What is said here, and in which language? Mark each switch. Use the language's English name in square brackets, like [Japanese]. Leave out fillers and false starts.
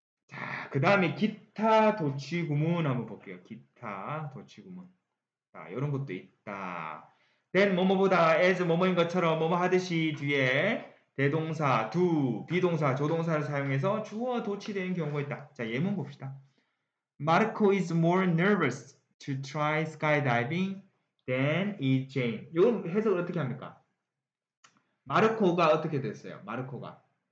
[Korean] 자, 그 다음에 기타 도치구문 한번 볼게요. 기타 도치구문. 자, 이런 것도 있다. Then 뭐뭐보다 as 뭐뭐인 것처럼 뭐뭐 하듯이 뒤에 대동사, do, 비동사, 조동사를 사용해서 주어 도치되는 경우가 있다. 자, 예문 봅시다. [English] Marco is more nervous to try skydiving than is Jane. [Korean] 이거 해석을 어떻게 합니까? 마르코가 어떻게 됐어요? 마르코가.